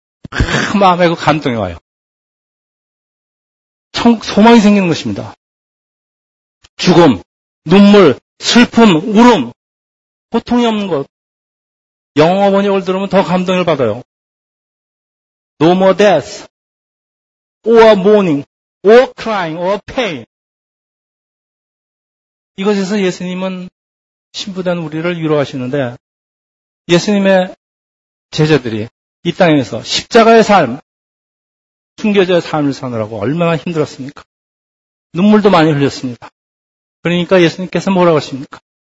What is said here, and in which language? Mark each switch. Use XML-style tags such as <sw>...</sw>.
<ko>그 마음에 그 감동이 와요. 천국 소망이 생기는 것입니다. 죽음, 눈물, 슬픔, 울음, 고통이 없는 것. 영어 번역을 들으면 더 감동을 받아요.</ko> <en>No more death, or mourning, or crying, or pain.</en> <ko>이것에서 예수님은 신부된 우리를 위로하시는데 예수님의 제자들이 이 땅에서 십자가의 삶, 순교자의 삶을 사느라고 얼마나 힘들었습니까? 눈물도 많이 흘렸습니다. 그러니까 예수님께서 뭐라고 하십니까?</ko>